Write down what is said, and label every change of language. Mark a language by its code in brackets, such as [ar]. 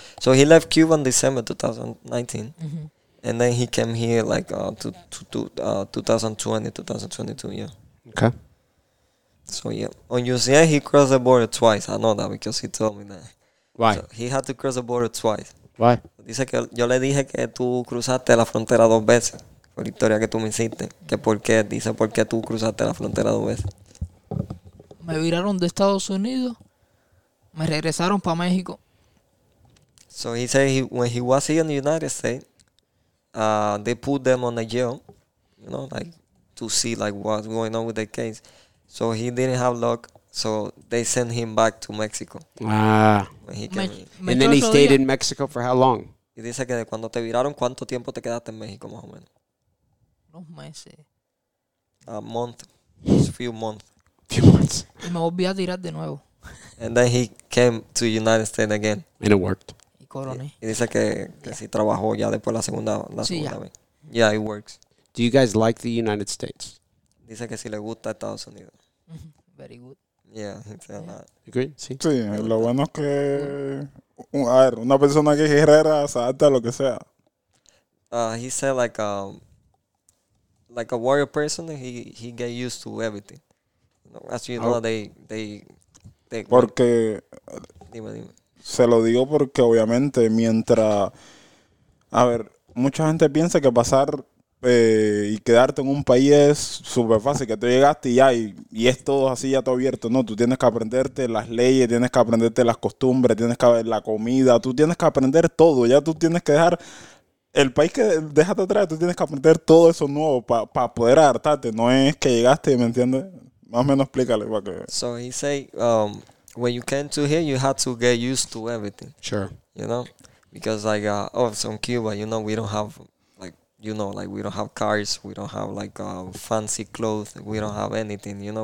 [en] So he left Cuba in December 2019, and then he came here like to 2022. Yeah. Okay. So yeah, on Yusniel he crossed the border twice. I know that because he told me that. Why? So he had to cross the border twice. Why? [es] Dice que yo le dije que tú cruzaste la frontera dos veces por la historia que tú me hiciste. Que por qué, dice por qué tú cruzaste la frontera dos veces. Me viraron de Estados Unidos, me regresaron para México. [en] So he said when he was here in the United States, they put them on the jail, you know, like to see like what's going on with the case. So he didn't have luck. So they sent him back to Mexico. Ah. When he came And then he stayed in Mexico for how long? [es] Y dice que de cuando te viraron, ¿cuánto tiempo te quedaste en México más o menos? Unos meses. [en] A month. Just a few months. Few months. [es] Y me volví a tirar de nuevo. [en] And then he came to the United States again. And it worked. [es] Y coroné. Y dice que sí trabajó ya después la segunda vez. [en] Yeah, it works. Do you guys like the United States? [es] Dice que sí le gusta Estados Unidos. [en] Very good. Yeah, [es] sí. Sí, lo bueno es que a ver, una persona que guerrera, salta lo que sea. [en] He said like a warrior person, he get used to everything. As you know, they [es] porque dime. Se lo digo porque obviamente mientras a ver, mucha gente piensa que pasar y quedarte en un país es súper fácil, que tú llegaste y ya, y es todo así, ya todo abierto. No, tú tienes que aprenderte las leyes, tienes que aprenderte las costumbres, tienes que ver la comida, tú tienes que aprender todo. Ya tú tienes que dejar el país que dejaste atrás, tú tienes que aprender todo eso nuevo para poder adaptarte. No es que llegaste, ¿me entiendes? Más o menos explícale para que... [en] So he say, when you came to here, you had to get used to everything. Sure. You know, because like, so in Cuba, you know, we don't have... You know, like, we don't have cars, we don't have, like, fancy clothes, we don't have anything, you know?